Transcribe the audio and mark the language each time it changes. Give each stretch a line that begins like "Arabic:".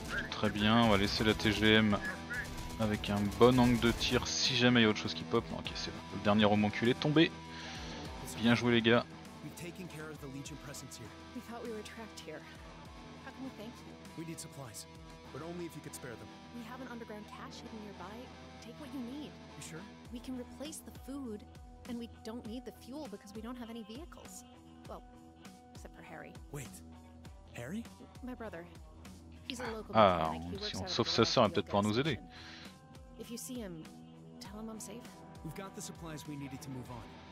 French: Très bien, on va laisser la TGM avec un bon angle de tir si jamais il y a autre chose qui pop. Non, ok, c'est le dernier homonculé tombé. Bien joué les gars.
English: We've taken care of the Legion presence here. We thought we were trapped here. How can we thank you? We need supplies, but only if you could spare them. We have an underground cache hidden nearby. Take what you need. You sure? We can replace the food and we don't need the fuel because we don't have any vehicles. Well, except for Harry. Wait. Harry? My brother.
French: Ah, si on sauve sa sœur, elle peut-être pouvoir nous aider.
English: If you see him, tell him I'm safe. We've got the supplies we needed to move on.